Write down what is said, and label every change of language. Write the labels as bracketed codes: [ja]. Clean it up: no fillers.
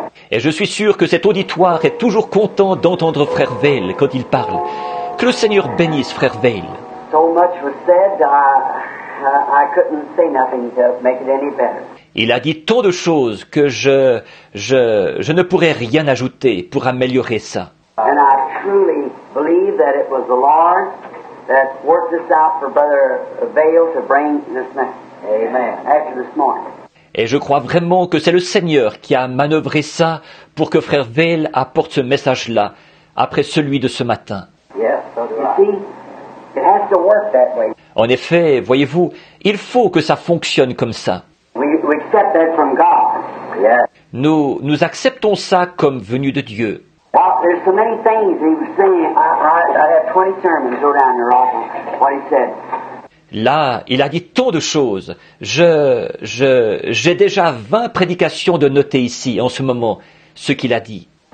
[fr] Et je suis sûr que cet auditoire est toujours content d'entendre Frère Vale quand il parle. Que le Seigneur bénisse Frère Vale. [en] So much was said, I couldn't say nothing to make it any better. [fr] Il a dit tant de choses que je ne pourrais rien ajouter pour améliorer ça. [en] And I truly believe that it was the Lord that worked this out for Brother Vail to bring this message. Amen. After this morning. [fr] Et je crois vraiment que c'est le Seigneur qui a manœuvré ça pour que Frère Vail apporte ce message-là après celui de ce matin. [en] Yes, so see, it has to work that way. [fr] En effet, voyez-vous, il faut que ça fonctionne comme ça. [en] We accept that from God. Yes. [fr] Nous acceptons ça comme venu de Dieu. [en] Well, there's so many things he was saying. I have 20 sermons go down your office, what he said. [fr] Là, il a dit tant de choses. J'ai déjà 20 prédications de noter ici, en ce moment, ce qu'il a dit.